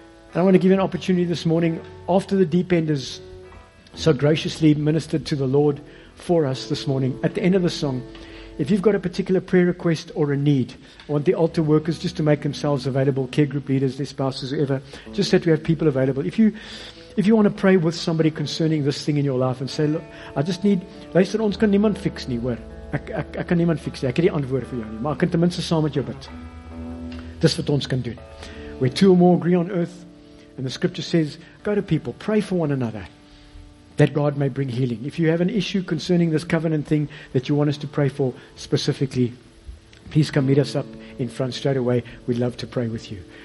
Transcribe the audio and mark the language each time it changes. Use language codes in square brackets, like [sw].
[en] And I want to give you an opportunity this morning, after the deep end has so graciously ministered to the Lord for us this morning, at the end of the song, if you've got a particular prayer request or a need, I want the altar workers just to make themselves available, care group leaders, their spouses, whoever, just that we have people available. If you want to pray with somebody concerning this thing in your life and say, look, I just need, [af] luister, ons kan niemand fix nie, hoor. Ek kan niemand fix nie, ek het die antwoord vir jou nie, maar ek kan ten minste saam met jou bid. Dis wat ons kan doen. [en] Where two or more agree on earth, and the scripture says, go to people, pray for one another, that God may bring healing. If you have an issue concerning this covenant thing that you want us to pray for specifically, please come meet us up in front straight away. We'd love to pray with you.